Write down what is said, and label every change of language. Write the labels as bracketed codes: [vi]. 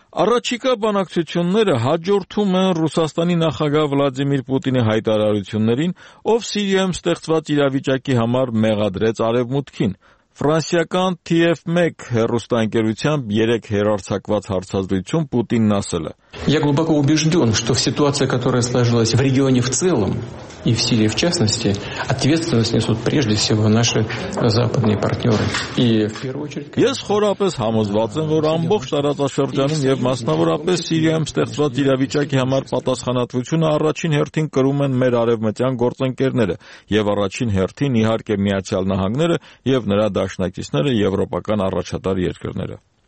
[hy] Առաջիկա բանակցությունները հաջորդում են Ռուսաստանի նախագահ Վլադիմիր Պուտինի հայտարարություններին, ով Սիրիայում ստեղծված իրավիճակի համար մեղադրեց Արևմուտքին։ Ֆրանսիական TF1 հեռուստաընկերությամբ 3 հերարցակված հարցազրույցում Պուտինն ասել է. [ru] Я глубоко убеждён, что в ситуации, которая сложилась в регионе в целом и в Сирии в частности, ответственность несут прежде всего наши западные партнёры. И в первую очередь, [hy] ես խորապես համոզված եմ, որ ամբողջ տարածաշրջանում եւ մասնավորապես Սիրիայում ստեղծված իրավիճակի համար պատասխանատվությունը առաջին հերթին կրում են մեր արևմտյան գործընկերները եւ առաջին հերթին իհարկե Միացյալ Նահանգները եւ նրա դաշնակիցները եվրոպական առաջատար երկրները։